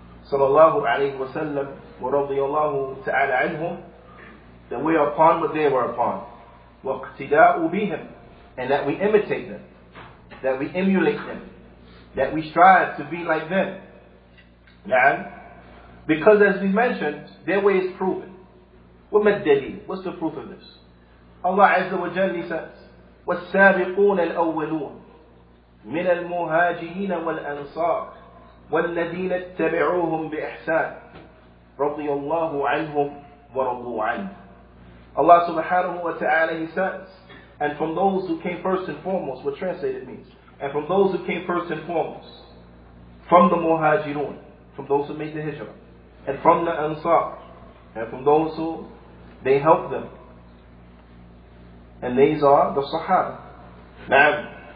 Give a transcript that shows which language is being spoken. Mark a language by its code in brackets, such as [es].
[en] sallallahu alayhi wa sallam wa radiyallahu ta'ala anhum, that we are upon what they were upon, waqtida'u bihim, and that we imitate them, that we emulate them, that we strive to be like them. Na'am? Because as we mentioned, their way is proven. [ar] وَمَا الدَّلِيلُ? [en] What's the proof of this? [ar] Allah Azza wa Jalla says, وَالسَّابِقُونَ الْأَوَّلُونَ مِنَ الْمُهَاجِهِينَ وَالْأَنصَارِ وَالَّذِينَ اتَّبِعُوهُمْ بِإِحْسَانِ رَضِيَ اللَّهُ عَنْهُمْ وَرَضُوا عَنْهُ. [en] Allah subhanahu wa ta'ala, he says, and from those who came first and foremost, what translated means, and from those who came first and foremost, from the muhajirun, from those who made the hijrah, and from the ansar, and from those who they helped them, and these are the Sahaba. Na'am.